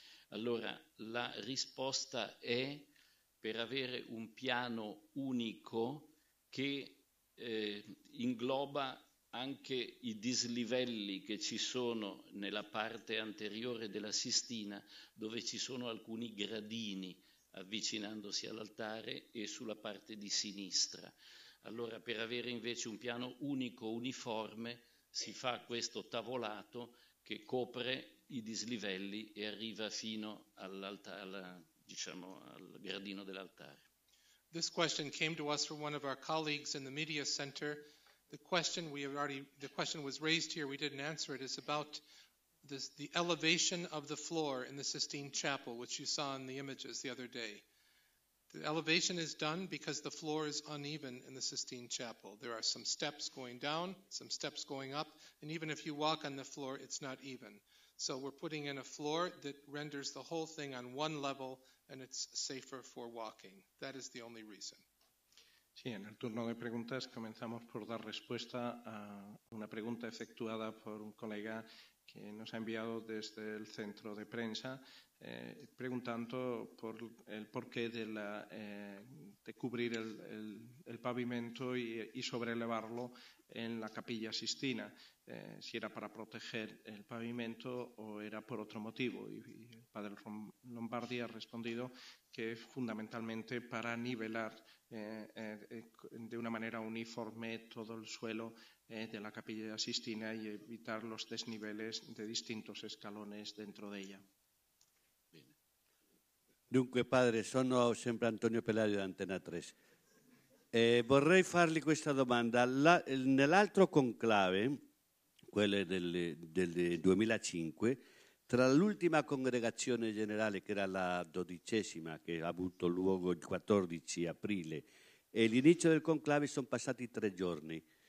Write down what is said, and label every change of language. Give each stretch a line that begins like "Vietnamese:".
Italian: Allora, la risposta è per avere un piano unico che ingloba anche i dislivelli che ci sono nella parte anteriore della Sistina, dove ci sono alcuni gradini avvicinandosi all'altare e sulla parte di sinistra. Allora, per avere invece un piano unico, uniforme, si fa questo tavolato che copre i dislivelli e arriva fino al gradino dell'altare.
English: This question came to us from one of our colleagues in the Media Center. The question was raised here, we didn't answer it, is about the elevation of the floor in the Sistine Chapel, which you saw in the images the other day. The elevation is done because the floor is uneven in the Sistine Chapel. There are some steps going down, some steps going up, and even if you walk on the floor, it's not even. So we're putting in a floor that renders the whole thing on one level, and it's safer for walking. That is the only reason.
Spanish: Sí, en el turno de preguntas comenzamos por dar respuesta a una pregunta efectuada por un colega que nos ha enviado desde el centro de prensa preguntando por el porqué de cubrir el pavimento y sobrelevarlo en la Capilla Sistina, si era para proteger el pavimento o era por otro motivo. Y el padre Lombardi ha respondido que es fundamentalmente para nivelar de una manera uniforme todo el suelo de la Capilla Sistina y evitar los desniveles de distintos escalones dentro de ella. Bien.
Italian: Dunque, padre, sono sempre Antonio Pelario di Antena 3. Vorrei fargli questa domanda. Nell'altro conclave, quello del 2005, tra l'ultima congregazione generale, che era la dodicesima, che ha avuto luogo il 14 aprile, e l'inizio del conclave sono passati 3 giorni.